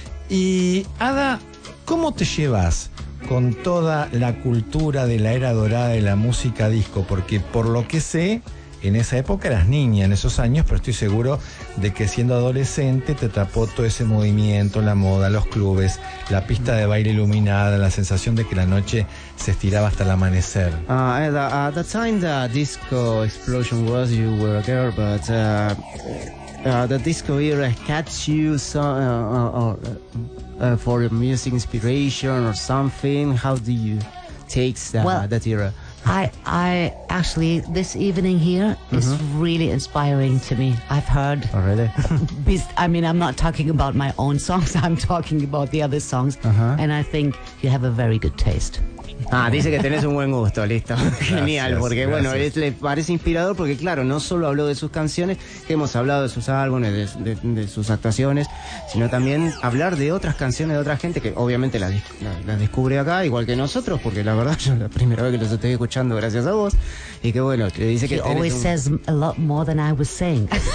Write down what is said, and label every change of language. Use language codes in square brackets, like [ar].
[es] Y Ada, ¿cómo te llevas con toda la cultura de la era dorada de la música disco? Porque por lo que sé, en esa época eras niña, en esos años, pero estoy seguro de que siendo adolescente te atrapó todo ese movimiento, la moda, los clubes, la pista de baile iluminada, la sensación de que la noche se estiraba hasta el amanecer. [en] At the time the disco explosion was, you were a girl, but the disco era catch you for music inspiration or something. How do you take that era? I actually, this evening here is really inspiring to me. I've heard. Oh, really? I mean, I'm not talking about my own songs. I'm talking about the other songs. Uh-huh. And I think you have a very good taste. [es] Ah, dice que tenés un buen gusto, listo. Genial, gracias, porque gracias. Bueno, le parece inspirador porque, claro, no solo habló de sus canciones, que hemos hablado de sus álbumes, de sus actuaciones, sino también hablar de otras canciones de otra gente que obviamente las descubre acá, igual que nosotros, porque la verdad, yo la primera vez que los estoy escuchando, gracias a vos, y que bueno, le dice que... [en] Says a lot more than I was saying.